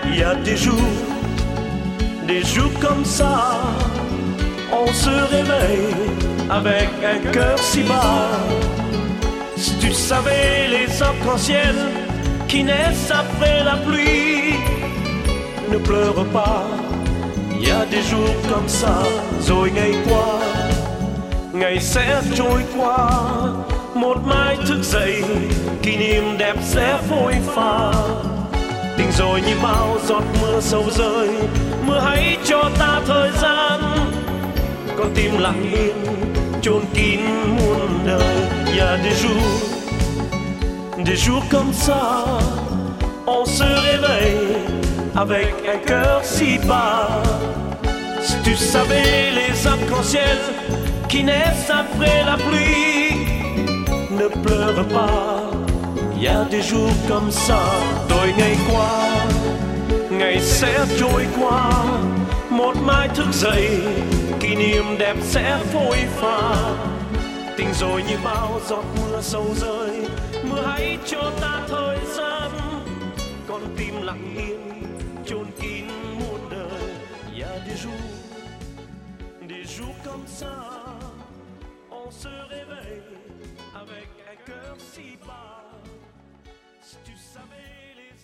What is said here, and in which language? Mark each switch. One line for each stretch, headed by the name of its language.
French: Il y a des jours comme ça, on se réveille avec un cœur si bas. Si tu savais les arcs-en-ciel qui naissent après la pluie, ne pleure pas, il y a des jours comme ça.
Vietnamese: Rồi ngày qua ngày sẽ trôi qua, một mai thức dậy kỷ niệm đẹp sẽ phôi pha. Tình rồi như bao giọt mưa sầu rơi, mưa hãy cho ta thời gian, con tim lặng yên chôn kín muôn đời.
French: Il y a des jours comme ça, on se réveille avec un cœur si bas. Si tu savais les arcs-en-ciel qui naissent après la pluie, ne pleure pas, il y a des jours comme ça.
Vietnamese: Tôi ngày qua, ngày sẽ trôi qua, một mai thức dậy, kỷ niệm đẹp sẽ phôi pha. Tình rồi như bao giọt mưa sầu rơi, mưa hãy cho ta thời gian, con tim lặng yên chôn kín muôn đời.
French: Il y a des jours comme ça, on se réveille avec un cœur si bas. Si tu savais